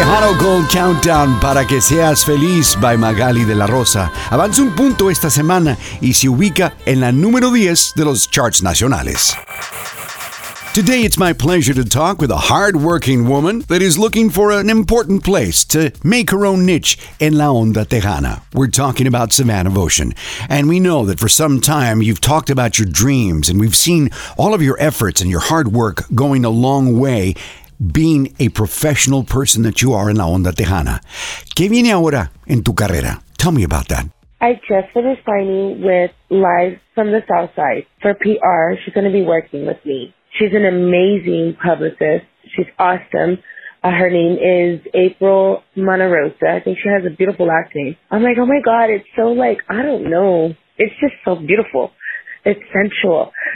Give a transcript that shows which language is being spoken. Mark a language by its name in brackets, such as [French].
[Spanish] Show Gold Countdown para que seas feliz by Magaly de la Rosa. Avanza un punto esta semana y se ubica en la número 10 de los charts nacionales. [English] Today it's my pleasure to talk with a hard-working woman that is looking for an important place to make her own niche en la onda tejana. We're talking about Savannah Voshin. And we know that for some time you've talked about your dreams and we've seen all of your efforts and your hard work going a long way being a professional person that you are in La Onda Tejana. [Spanish] ¿Qué viene ahora en tu carrera? [English] Tell me about that. I just finished signing with Live from the South Side for PR. She's going to be working with me. She's an amazing publicist. She's awesome. Her name is April Monterosa. I think she has a beautiful last name. I'm like, oh my God, it's so like, I don't know. It's just so beautiful. It's sensual.